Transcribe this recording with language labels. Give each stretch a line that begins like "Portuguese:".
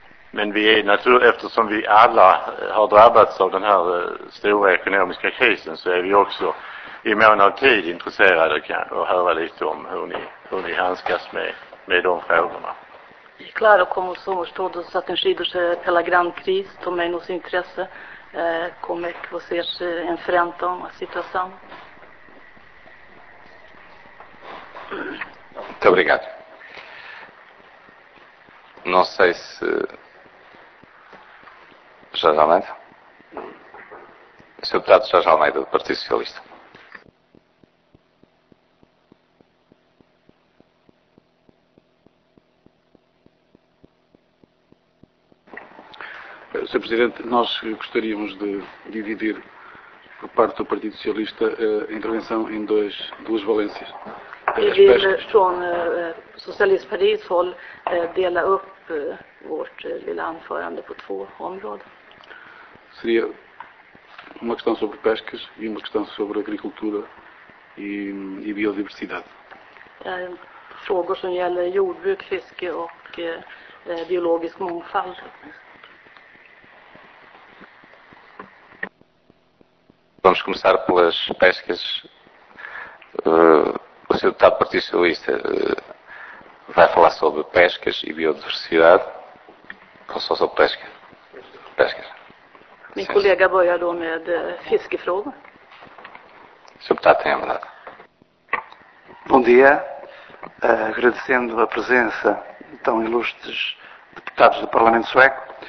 Swedish: Men vi är naturligtvis, eftersom vi alla har drabbats av den här stora ekonomiska krisen, så är vi också i mån av tid intresserade att höra lite om hur ni handskas med de frågorna. Det är klart att
Portuguese: como somos todos atingidos pela grande crise, também nos interessa como é que vocês enfrentam a situação. Muito obrigado. Não sei se... Jorge Almeida? Sr. Deputado Jorge Almeida, do Partido Socialista. Sr. Presidente, nós gostaríamos de dividir, por parte do Partido Socialista, a intervenção em duas valências.
Swedish: Vi vill från Socialistpartiets håll dela upp vårt lilla anförande på två områden.
Portuguese: Seria uma questão sobre pescas e uma questão sobre agricultura e biodiversidade.
Swedish: Frågor som gäller jordbruk, fiske och biologisk mångfald.
Portuguese: Vamos começar pelas pescas. O seu deputado Partido Socialista vai falar sobre pescas e biodiversidade ou só sobre pesca? Pescas.
Swedish: Min kollega börjar då med fiskefrågor.
Portuguese: Sr. deputado, tem a verdade. Bom dia. Agradecendo a presença de tão ilustres deputados do Parlamento Sueco.